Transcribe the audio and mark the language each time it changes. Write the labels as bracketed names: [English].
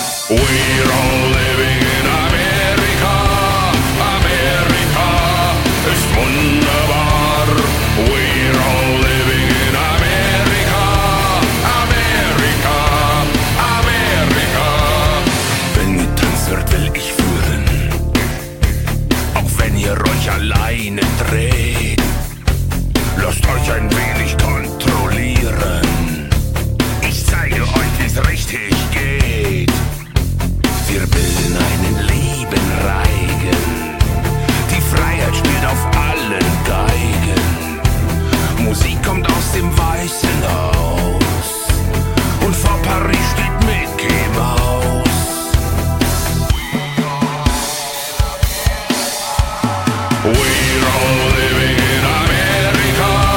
[English] We're all living in America. America is wunderbar. We're all living in America. America, America. [German] Wenn ihr tanzt, wird will ich führen. Auch wenn ihr euch alleine dreht, lasst euch ein wenig kontrollieren. Ich zeige euch, wie's richtig geht. Wir bilden einen lieben Reigen. Die Freiheit spielt auf allen Geigen. Musik kommt aus dem Weißen Haus. Und vor Paris steht Mickey Maus. [English] We're all living in America.